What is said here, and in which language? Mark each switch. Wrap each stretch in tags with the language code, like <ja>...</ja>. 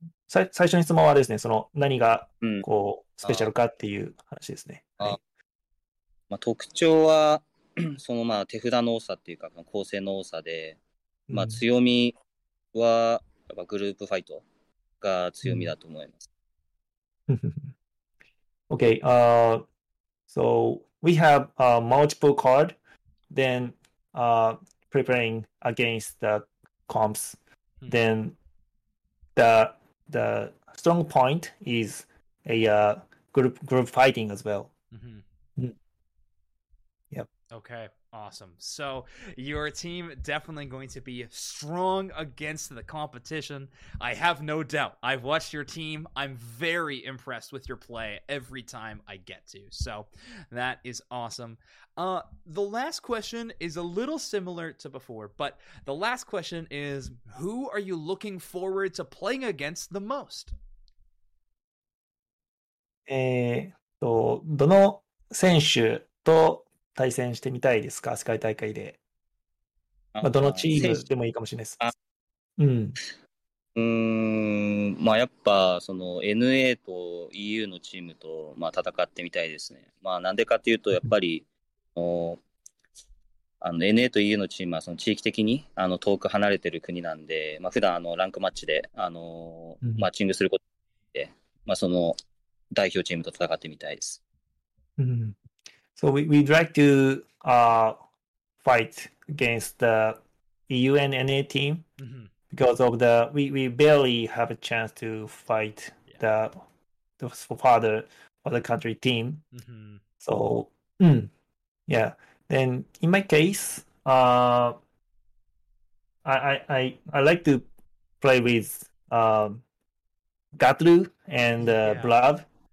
<ja>最初の質問はですね、その何がこうスペシャルかっていう話ですね。特徴は、そのまあ手札の多さっていうか、構成の多さで、まあ、強みはやっぱグループファイトが強みだと思います。</ja> <en>Okay, so we have a multiple card, then preparing against the comps, then the strong point is a group fighting as well. Okay, awesome. So your team definitely going to be strong against the competition. I have no doubt. I've watched your team. I'm very impressed with your play every time I get to. So that is awesome. The last question is a little similar to before, but the last question is, who are you looking forward to playing against the most?</en> <ja>どの選手と対戦してみたいですか、世界大会で。まあ、どのチームでもいいかもしれないです。まあやっぱその NA と EU のチームと、まあ、戦ってみたいですね。まあなんでかっていうと、やっぱりあの NA と EU のチームはその地域的にあの遠く離れてる国なんで、まあ、普段あのランクマッチで、マッチングすることで、まあ、その代表チームと戦ってみたいです。</ja> <en>So we'd like to fight against the EU and NA team because of the we barely have a chance to fight the father of the country team. So yeah. Then in my case, I like to play with Gatlu and Blav.</en>